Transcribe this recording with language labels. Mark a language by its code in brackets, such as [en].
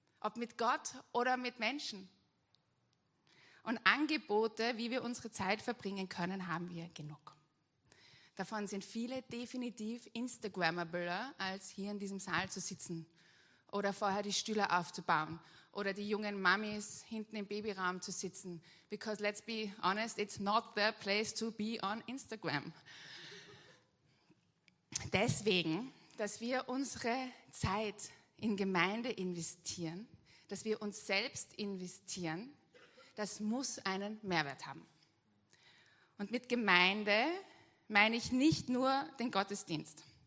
[de] Ob mit Gott oder mit Menschen. Und Angebote, wie wir unsere Zeit verbringen können, haben wir genug. Davon sind viele definitiv Instagrammabler, als hier in diesem Saal zu sitzen oder vorher die Stühle aufzubauen oder die jungen Mamis hinten im Babyraum zu sitzen. [en] Because let's be honest, it's not the place to be on Instagram. [de] Deswegen, dass wir unsere Zeit in Gemeinde investieren, dass wir uns selbst investieren, das muss einen Mehrwert haben. Und mit Gemeinde meine ich nicht nur den Gottesdienst.